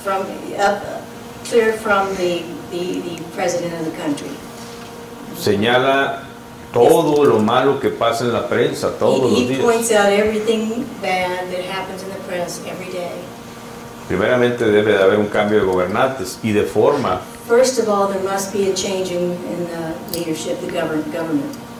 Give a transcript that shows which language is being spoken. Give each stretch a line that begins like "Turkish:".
English: From, clear from the president of the country.
Spanish: Señala todo lo malo que pasa en la prensa todos los días.
English: He points out everything bad that happens in the press every day.
Spanish: Primeramente debe de haber un cambio de gobernantes y de forma.
English: First of all, there must be a change in the leadership, the government.